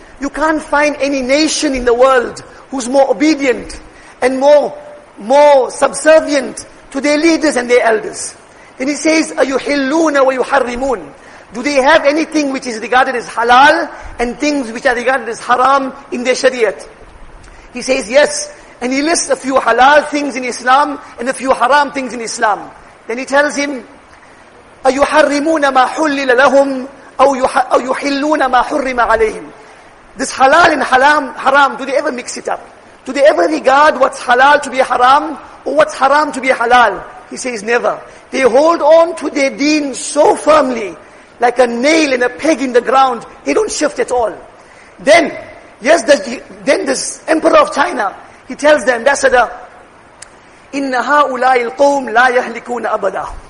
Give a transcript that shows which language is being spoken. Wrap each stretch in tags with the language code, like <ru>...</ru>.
<en>You can't find any nation in the world who's more obedient and more subservient to their leaders and their elders. Then he says,</en> <ar>أَيُحِلُّونَ وَيُحَرِّمُونَ.</ar> <en>Do they have anything which is regarded as halal and things which are regarded as haram in their shariat? He says, yes. And he lists a few halal things in Islam and a few haram things in Islam. Then he tells him,</en> <ar>أَيُحَرِّمُونَ مَا حُلِّلَ لَهُمْ أَوْ يُحِلُّونَ مَا حُرِّمَ عَلَيْهِمْ.</ar> <en>This halal and haram, do they ever mix it up? Do they ever regard what's halal to be haram or what's haram to be halal? He says, never. They hold on to their deen so firmly, like a nail and a peg in the ground. They don't shift at all. Then this emperor of China, he tells the ambassador,</en> <ar>إِنَّ هَا أُولَٰئِ الْقَوْمِ لَا يَهْلِكُونَ أَبَدًا.</ar>